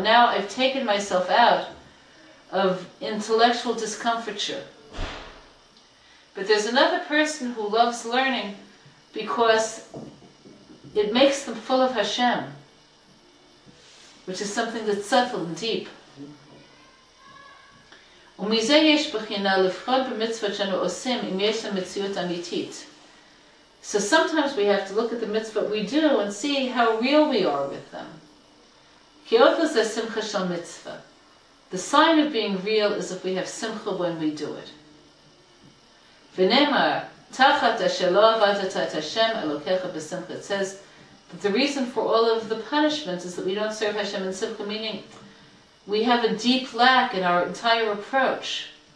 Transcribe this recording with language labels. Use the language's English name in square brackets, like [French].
[English] Now I've taken myself out of intellectual discomfiture. But there's another person who loves learning because it makes them full of Hashem, which is something that's subtle and deep. [Hebrew] ומזה יש בחינה לבחון במצוות שאנו עושים אם יש להם מציאות אמיתית. [English] So sometimes we have to look at the mitzvot we do and see how real we are with them. [Hebrew] כי אותו זה שמחה של מצווה. [English] The sign of being real is if we have simcha when we do it. [Hebrew] ונאמר, תחת אשר לא עבדת את השם אלוקיך בשמחה, [English] it says that the reason for all of the punishments is that we don't serve Hashem in simcha, meaning we have a deep lack in our entire approach.